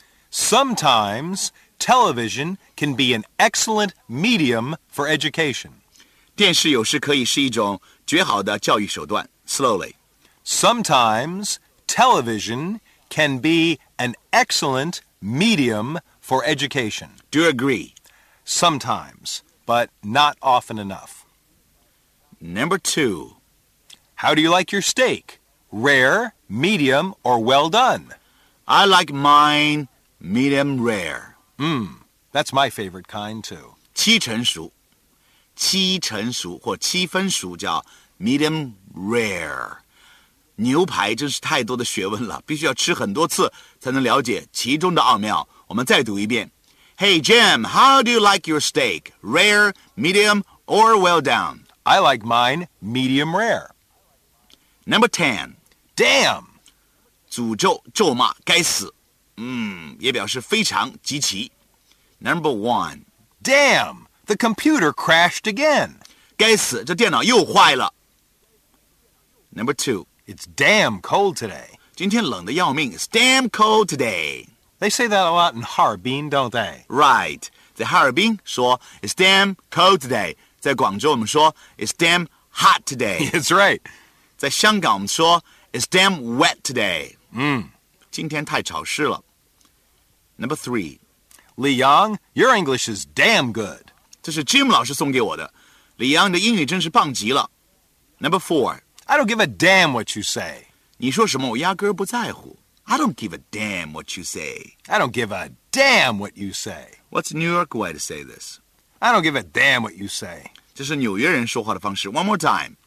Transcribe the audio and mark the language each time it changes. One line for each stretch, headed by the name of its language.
English: Sometimes television can be an excellent medium for education.
Chinese: 电视有时可以是一种绝好的教育手段。
English: Slowly. Sometimes television can be an excellent medium for education. Do you agree? Sometimes. but not often enough. Number two, how do you like your steak? Rare, medium, or well done? I like mine medium rare. That's my favorite kind too.
Chinese: 七成熟或七分熟叫 medium rare。牛排真是太多的学问了，必须要吃很多次才能了解其中的奥妙。我们再读一遍。
English: Hey Jim, how do you like your steak? Rare, medium, or well done? I like mine medium rare. Number 10. Damn!
Chinese: 诅咒、咒骂、该死。也表示非常、极其。
English: Number 1. Damn! The computer crashed again.
Chinese: 该死，这电脑又坏了。
English: Number 2. It's damn cold today.
Chinese: 今天冷得要命。
English: It's damn cold today. They say that a lot in Harbin, don't they? Right.
Chinese: 在哈尔滨说
English: It's damn cold today.
Chinese: 在广州我们说
English: It's damn hot today. That's right.
Chinese: 在香港我们说
English: It's damn wet today.
Chinese: 今天太潮湿了。
English: Number 3. Li Yang, your English is damn good.
Chinese: 这是 Jim 老师送给我的。李阳的英语真是棒极了。
English: Number 4. I don't give a damn what you say.
Chinese: 你说什么我压根不在乎。
English: I don't give a damn what you say. I don't give a damn what you say. What's New York way to say this? I don't give a damn what you say.
Chinese: 这是纽约人说话的方式。
English: One more time.